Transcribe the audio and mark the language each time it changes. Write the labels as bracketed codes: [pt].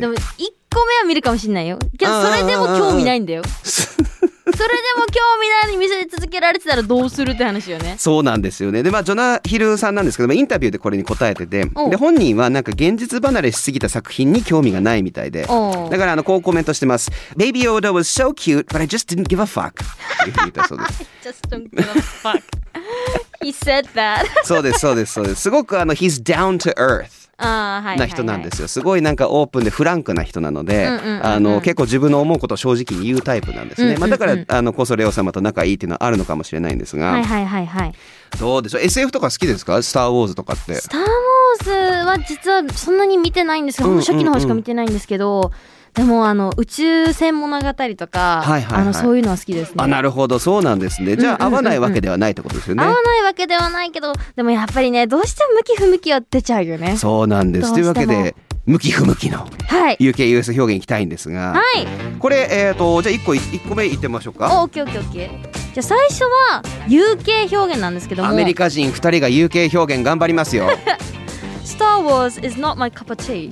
[ja] でも一個目は見るかもしれないよ。いやそれでも興味ないんだよ。それでも興味ないのに見せ続けられてたらどうするって話よね。そうなんですよね。で、ジョナヒルさんなんですけど、インタビューでこれに答えてて、で本人はなんか現実離れしすぎた作品に興味がないみたいで、だからこうコメントしてます。 [en] Baby Yoda was so cute but I just didn't give a fuck [ja] っていうふうに言ったそうです。 [en] Just don't give a fuck He said that [ja] そうですそうですそうです。すごく [en] He's down to earth [ja] な人なんですよ。すごいなんかオープンでフランクな人なので、結構自分の思うことを正直に言うタイプなんですね、だからこそレオ様と仲いいっていうのはあるのかもしれないんですが、はいはいはいはい、どうでしょう、 SF とか好きですか、スターウォーズとかって。スターウォーズは実はそんなに見てないんですけど、初期の方しか見てないんですけど、でも宇宙船物語とか、はいはいはい、そういうのは好きですね。あ、なるほど、そうなんですね。じゃあ、合わないわけではないってことですよね。合わないわけではないけど、でもやっぱりね、どうしても向き不向きは出ちゃうよね。そうなんです。というわけで向き不向きの UKUS 表現いきたいんですが、はい、これ、じゃあ1個目いってみましょうか。オッケーオッケーオッケー。じゃあ最初は UK 表現なんですけども、アメリカ人2人が UK 表現頑張りますよ。 [en] Star Wars is not my cup of tea.